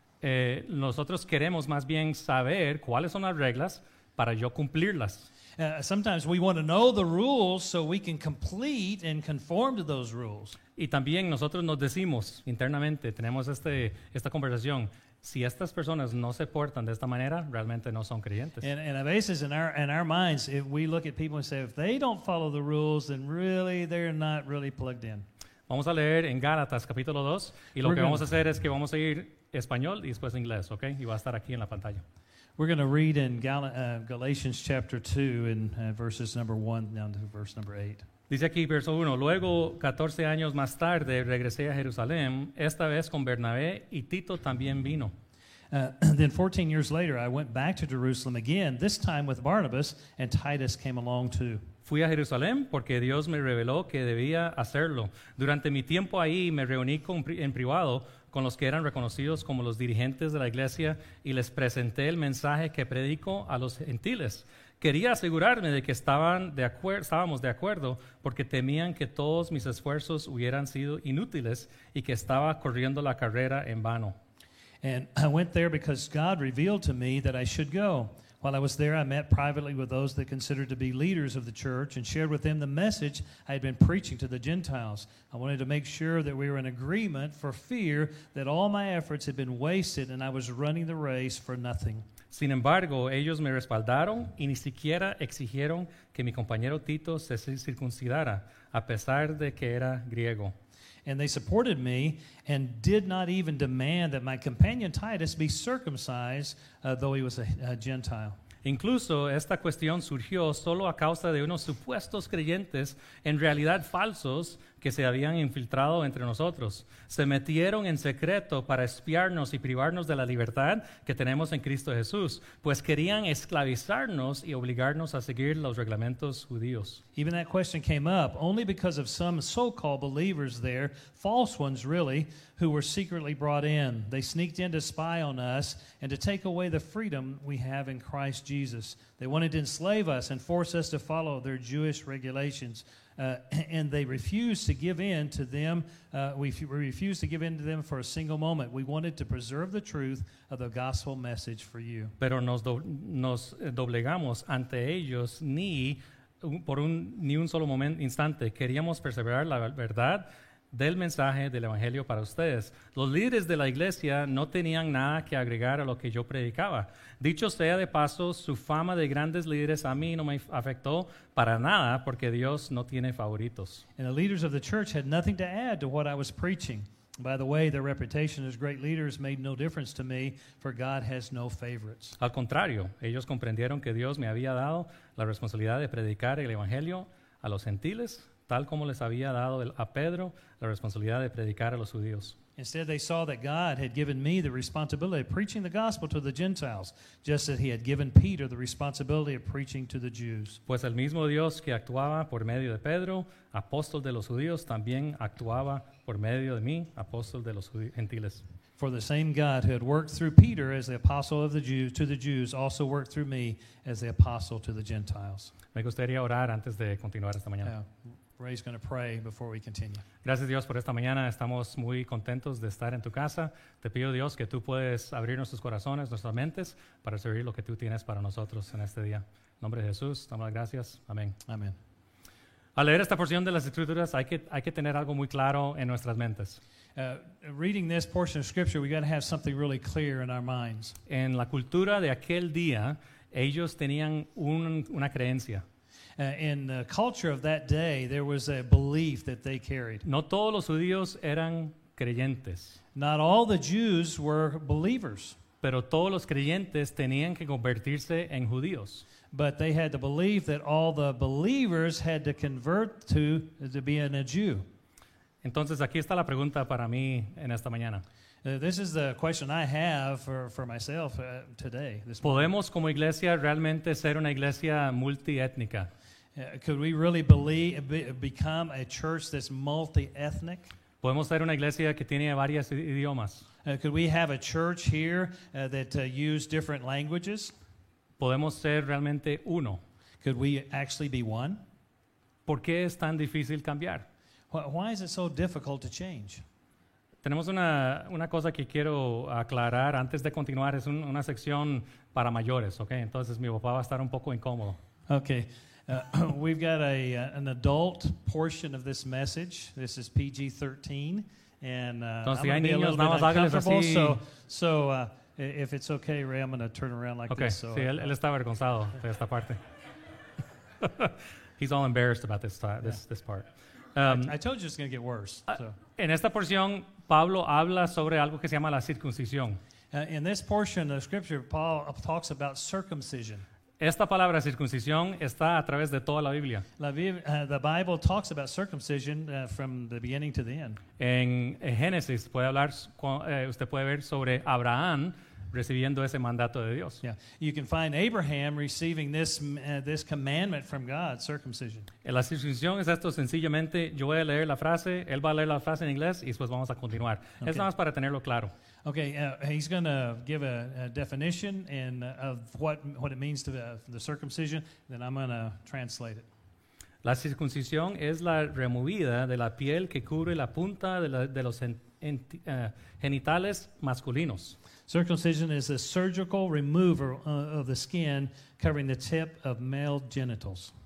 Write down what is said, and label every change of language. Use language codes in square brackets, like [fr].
[es] Nosotros queremos más bien saber cuáles son las reglas para yo cumplirlas. [en] Sometimes we want to know the rules so we can complete and conform to those rules. [es] Y también nosotros nos decimos internamente, tenemos esta conversación, si estas personas no se portan de esta manera, realmente no son creyentes. [en] And a basis in our minds, if we look at people and say, if they don't follow the rules, then really they're not really plugged in. [es] Vamos a leer en Gálatas capítulo 2, y lo que vamos a hacer es que vamos a ir español y después inglés, ¿ok? Y va a estar aquí en la pantalla. [en] We're going to read in Galatians chapter 2 in verses number 1 down to verse number 8. [es] Dice aquí, verso 1, luego, 14 años más tarde, regresé a Jerusalén, esta vez con Bernabé, y Tito también vino. [en] Then 14 years later, I went back to Jerusalem again, this time with Barnabas, and Titus came along too. [es] Fui a Jerusalén porque Dios me reveló que debía hacerlo. Durante mi tiempo ahí, me reuní en privado con los que eran reconocidos como los dirigentes de la iglesia, y les presenté el mensaje que predico a los gentiles. Quería asegurarme de que estábamos de acuerdo, porque temían que todos mis esfuerzos hubieran sido inútiles y que estaba corriendo la carrera en vano. [en] And I went there because God revealed to me that I should go. While I was there, I met privately with those that considered to be leaders of the church and shared with them the message I had been preaching to the Gentiles. I wanted to make sure that we were in agreement for fear that all my efforts had been wasted and I was running the race for nothing. [es] Sin embargo, ellos me respaldaron y ni siquiera exigieron que mi compañero Tito se circuncidara, a pesar de que era griego. [en] And they supported me and did not even demand that my companion Titus be circumcised, though he was a Gentile. [es] Incluso esta cuestión surgió solo a causa de unos supuestos creyentes, en realidad falsos, que se habían infiltrado entre nosotros. Se metieron en secreto para espiarnos y privarnos de la libertad que tenemos en Cristo Jesús, pues querían esclavizarnos y obligarnos a seguir los reglamentos judíos. [en] Even that question came up only because of some so-called believers there, false ones really, who were secretly brought in. They sneaked in to spy on us and to take away the freedom we have in Christ Jesus. They wanted to enslave us and force us to follow their Jewish regulations. And they refused to give in to them. We refused to give in to them for a single moment. We wanted to preserve the truth of the gospel message for you. [es] Pero nos doblegamos ante ellos ni por ni un solo momento instante. Queríamos preservar la verdad del mensaje del evangelio para ustedes. Los líderes de la iglesia no tenían nada que agregar a lo que yo predicaba. Dicho sea de paso, su fama de grandes líderes a mí no me afectó para nada, porque Dios no tiene favoritos. [en] And the leaders of the church had nothing to add to what I was preaching. By the way, their reputation as great leaders made no difference to me, for God has no favorites. [es] Al contrario, ellos comprendieron que Dios me había dado la responsabilidad de predicar el evangelio a los gentiles, tal como les había dado a Pedro la responsabilidad de predicar a los judíos. [en] Instead, they saw that God had given me the responsibility of preaching the gospel to the Gentiles, just as he had given Peter the responsibility of preaching to the Jews. [es] Pues el mismo Dios que actuaba por medio de Pedro, apóstol de los judíos, también actuaba por medio de mí, apóstol de los gentiles. [en] For the same God who had worked through Peter as the apostle of the Jews to the Jews also worked through me as the apostle to the Gentiles. [es] Me gustaría orar antes de continuar esta mañana. [en] Ray's going to pray before we continue. [es] Gracias Dios por esta mañana. Estamos muy contentos de estar en tu casa. Te pido Dios que tú puedes abrir nuestros corazones, nuestras mentes, para servir lo que tú tienes para nosotros en este día. En nombre de Jesús, damos las gracias. Amén. Amén. Al leer esta porción de las escrituras, hay que tener algo muy claro en nuestras mentes. [en] Reading this portion of scripture, we got to have something really clear in our minds. [es] En la cultura de aquel día, ellos tenían una creencia. [en] In the culture of that day, there was a belief that they carried. [es] No todos los judíos eran creyentes. [en] Not all the Jews were believers. [es] Pero todos los creyentes tenían que convertirse en judíos. [en] But they had to believe that all the believers had to convert to being a Jew. [es] Entonces, aquí está la pregunta para mí en esta mañana. [en] This is the question I have for myself today. [es] ¿Podemos como iglesia realmente ser una iglesia multiétnica? [en] Could we really become a church that's multi-ethnic? [es] ¿Podemos ser una iglesia que tiene varios idiomas? [en] Could we have a church here that use different languages? [es] ¿Podemos ser realmente uno? [en] Could we actually be one? [es] ¿Por qué es tan difícil cambiar? [en] Why is it so difficult to change? [es] Tenemos una cosa que quiero aclarar antes de continuar. Es una sección para mayores, okay? Entonces mi papá va a estar un poco incómodo. [en] Okay. We've got an adult portion of this message. This is PG-13. And [es] entonces, [en] I'm going to be a little bit uncomfortable. [es] Así. [en] So if it's okay, Ray, I'm going to turn around like okay. This. [es] Okay, sí, él está avergonzado de esta parte. [en] He's all embarrassed about this part. I told you it's going to get worse. So. [es] En esta porción, Pablo habla sobre algo que se llama la circuncisión. [en] In this portion of scripture, Paul talks about circumcision. [es] Esta palabra circuncisión está a través de toda la Biblia. [en] The Bible talks about circumcision from the beginning to the end. [es] En Génesis puede hablar, usted puede ver sobre Abraham recibiendo ese mandato de Dios. [en] Yeah. You can find Abraham receiving this commandment from God, circumcision. [es] La circuncisión es esto sencillamente, yo voy a leer la frase, él va a leer la frase en inglés y después vamos a continuar. Okay. Es nada más para tenerlo claro. [en] Okay, he's going to give a definition and of what it means to the circumcision, then I'm going to translate it. [es] La circuncisión es la removida de la piel que cubre la punta de los genitales masculinos. [en] Circumcision is a surgical remover of the skin covering the tip of male genitals.